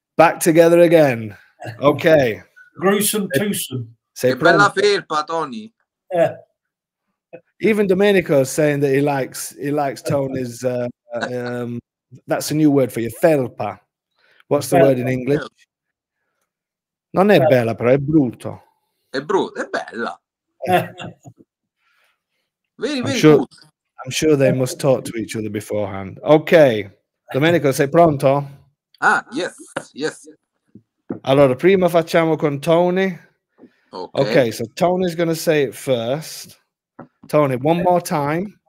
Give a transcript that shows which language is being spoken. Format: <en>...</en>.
<en>Back together again. Okay. Gruesome twosome.</en> <it>Che bella felpa, Tony.</it> <en>Yeah. Even Domenico is saying that he likes Tony's, that's a new word for you, felpa. What's the word in English?</en> <it>Non è bella, però è brutto. È brutto, è bella.</it> <en>Very, very good. I'm sure they must talk to each other beforehand.</en> <it>Okay, Domenico, sei pronto?</it> <en>Ah, yes, yes.</en> <it>Allora, prima facciamo con Tony.</it> <en>Okay, so Tony's going to say it first. Tony, one more time.</en>